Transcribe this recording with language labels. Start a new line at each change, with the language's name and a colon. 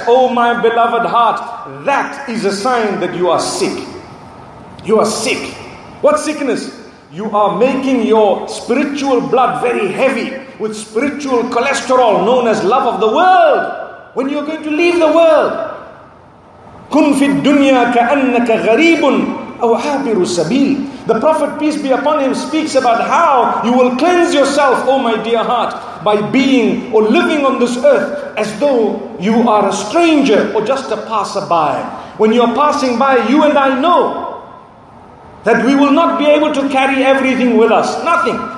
English: Oh my beloved heart, that is a sign that you are sick. You are sick. What sickness? You are making your spiritual blood very heavy with spiritual cholesterol known as love of the world. When you're going to leave the world.
Arabic: كُنْ فِي الدُّنْيَا كَأَنَّكَ غَرِيبٌ أَوْ عَابِرُ السَّبِيلِ.
English: The Prophet, peace be upon him, speaks about how you will cleanse yourself, oh my dear heart, by being or living on this earth as though you are a stranger or just a passerby. When you're passing by, you and I know that we will not be able to carry everything with us. Nothing.